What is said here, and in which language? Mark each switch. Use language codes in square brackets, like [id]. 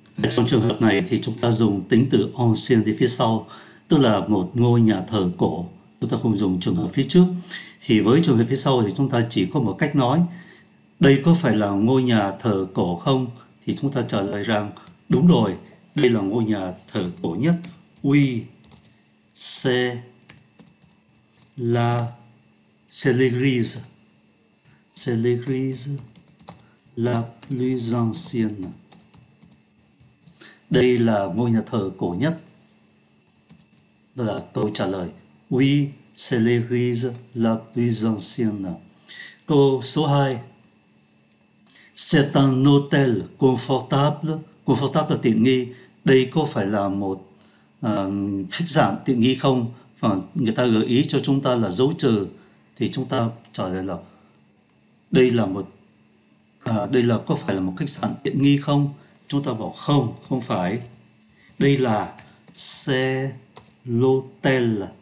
[vi] Trong trường hợp này thì chúng ta dùng tính từ ancien đi phía sau, tức là một ngôi nhà thờ cổ, chúng ta không dùng trường hợp phía trước. Thì với trường hợp phía sau thì chúng ta chỉ có một cách nói, đây có phải là ngôi nhà thờ cổ không? Thì chúng ta trả lời rằng, đúng rồi, đây là ngôi nhà thờ cổ nhất. [fr] Oui, c'est la c'est l'église la plus ancienne. [vi] Đây là ngôi nhà thờ cổ nhất. Đó là câu trả lời. [fr] Oui, c'est l'église la plus ancienne. [vi] Câu số 2. [fr] C'est un hôtel confortable. [vi] Confortable là tiện nghi. Đây có phải là một khách sạn tiện nghi không? Và người ta gợi ý cho chúng ta là dấu trừ. Thì chúng ta trả lời là đây là có phải là một khách sạn tiện nghi không? Chúng ta bảo không, không phải. Đây là xe lô tel.